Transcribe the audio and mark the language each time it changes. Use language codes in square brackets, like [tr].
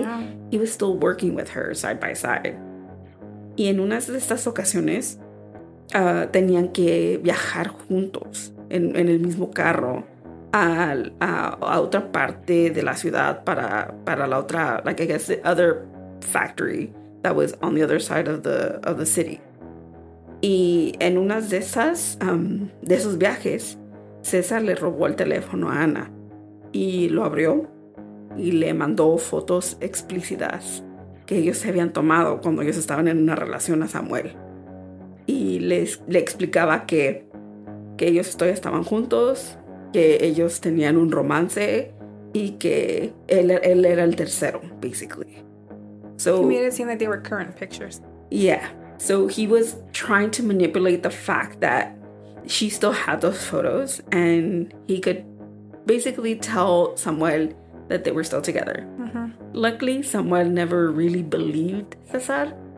[en] Yeah. He was still working with her side by side. [es] Y en unas de estas ocasiones tenían que viajar juntos en el mismo carro. A otra parte de la ciudad para la otra, [en] like I guess the other factory that was on the other side of the city. [es] Y en unas de esas de esos viajes, César le robó el teléfono a Ana y lo abrió y le mandó fotos explícitas que ellos se habían tomado cuando ellos estaban en una relación a Samuel. Y le explicaba que ellos todavía estaban juntos, que ellos tenían un romance y que él era el tercero, basically. [en] So he made it seem like they were current pictures. Yeah. So he was trying to manipulate the fact that she still had those photos and he could basically tell Samuel that they were still together. Mm-hmm. Luckily, Samuel never really believed César.